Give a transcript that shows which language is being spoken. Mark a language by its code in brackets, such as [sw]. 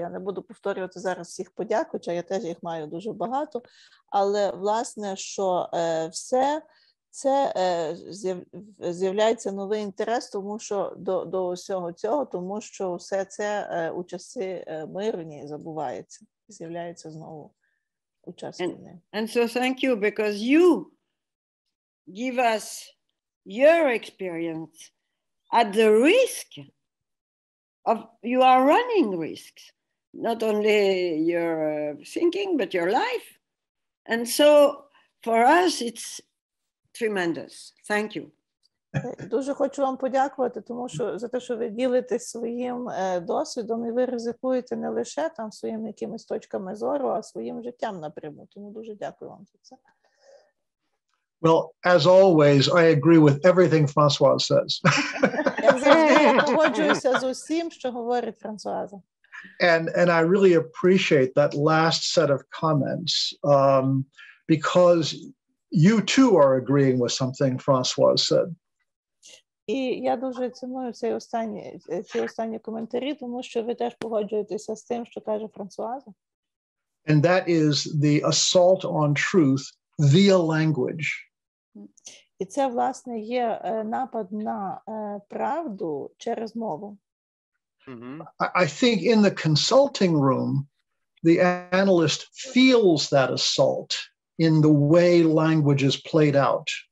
[uk] Я не буду повторювати зараз всіх подяку, хоча я теж їх маю дуже багато, але, власне, що все це з'являється новий інтерес, тому що до усього цього, тому що все це у часи мирні забувається, з'являється знову. [en] And so thank you, because you give us your experience at the risk of, you are running risks, not only your thinking, but your life. And so for us, it's tremendous. Thank you. [uk] Дуже хочу вам подякувати, тому що за те, що ви ділитесь своїм досвідом, і ви ризикуєте не лише там своїми якимись точками зору, а своїм життям напряму. Тому дуже дякую вам за це. [en] Well, as always, I agree with everything Françoise says. [uk] Погоджуюся з усім, що говорить Франсуаза. [en] And I really appreciate that last set of comments, because you too are agreeing with something Françoise said. [uk] І я дуже ціную ці останні коментарі, тому що ви теж погоджуєтеся з тим, що каже Франсуаза. [en] And that is the assault on truth via language. [uk] І це, власне, є напад на правду через мову. [en] I think in the consulting room, the analyst feels that assault in the way language is played out.